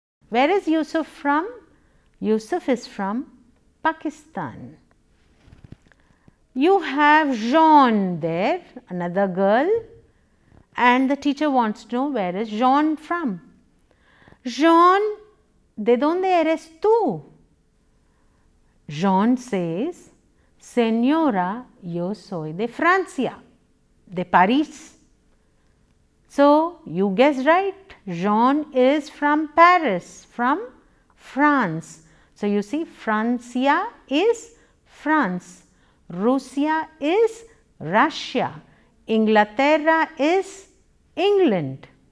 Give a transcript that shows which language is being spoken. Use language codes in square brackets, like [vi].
[en] Where is Yusuf from? Yusuf is from Pakistan. You have Jean there, another girl. And the teacher wants to know where is Jean from. [es] Jean, ¿de dónde eres tú? [en] Jean says, [es] Señora, yo soy de Francia, de París. [en] So, you guess right, Jean is from Paris, from France. So, you see, Francia is France, Russia is Russia, Inglaterra is England.